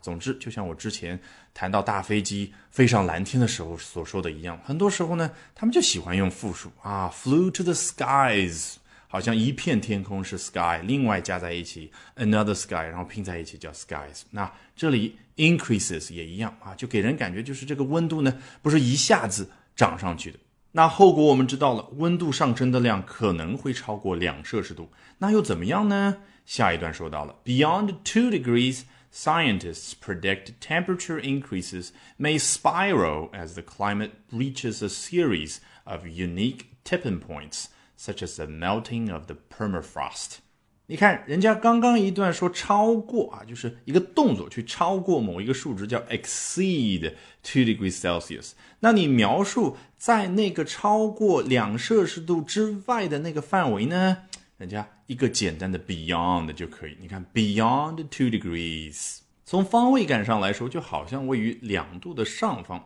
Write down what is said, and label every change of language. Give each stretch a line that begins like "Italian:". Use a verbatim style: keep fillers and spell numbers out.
Chinese: 总之就像我之前谈到大飞机飞上蓝天的时候所说的一样，很多时候呢他们就喜欢用复数啊
English: flew to the skies，
Chinese: 好像一片天空是 sky， 另外加在一起
English: another sky，
Chinese: 然后拼在一起叫 skies。那这里 increases 也一样啊，就给人感觉就是这个温度呢不是一下子涨上去的。那后果我们知道了，温度上升的量可能会超过两摄氏度。那又怎么样呢？下一段说到了
English: Beyond two degrees, scientists predict temperature increases may spiral as the climate breaches a series of unique tipping points, such as the melting of the permafrost.
Chinese: 你看人家刚刚一段说超过啊，就是一个动作去超过某一个数值叫
English: exceed two degrees Celsius。
Chinese: 那你描述在那个超过两摄氏度之外的那个范围呢，人家一个简单的 beyond 就可以。你看
English: beyond two degrees，
Chinese: 从方位感上来说就好像位于两度的上方。